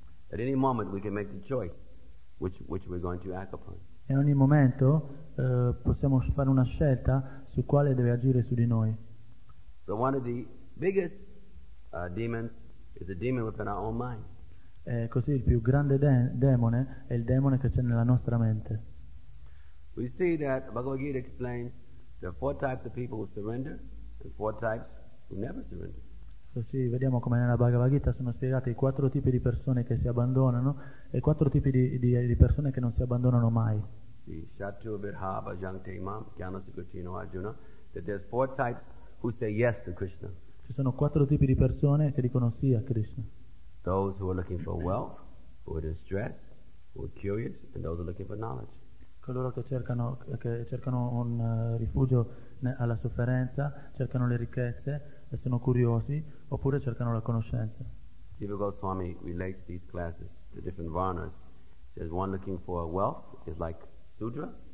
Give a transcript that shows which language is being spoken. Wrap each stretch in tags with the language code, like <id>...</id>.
<en>At any moment we can make the choice which we're going to act upon.</en> <it>In ogni momento possiamo fare una scelta su quale deve agire su di noi.</it> <en>So one of the biggest demons is the demon within our own mind.</en> <it>E così il più grande demone è il demone che c'è nella nostra mente.</it> <en>We see that Bhagavad Gita explains there are four types of people who surrender and four types who never surrender.</en> <it>Così vediamo come nella Bhagavad Gita sono spiegati i quattro tipi di persone che si abbandonano e i quattro tipi di persone che non si abbandonano mai.</it> <sa>Sì, Shatru Virhava Jante Mam Gyana Sukutino Arjuna.</sa> <en>That there's four types who say yes to Krishna.</en> <it>Ci sono quattro tipi di persone che dicono sì a Krishna.</it> <en>Those who are looking for wealth, who are distressed, who are curious, and those who are looking for knowledge.</en> <it>Coloro che cercano un rifugio alla sofferenza, cercano le ricchezze e sono curiosi, oppure cercano la conoscenza.</it> <en>Jiva Goswami relates these classes to different varnas. There's one looking for wealth, is like Sudra.</en>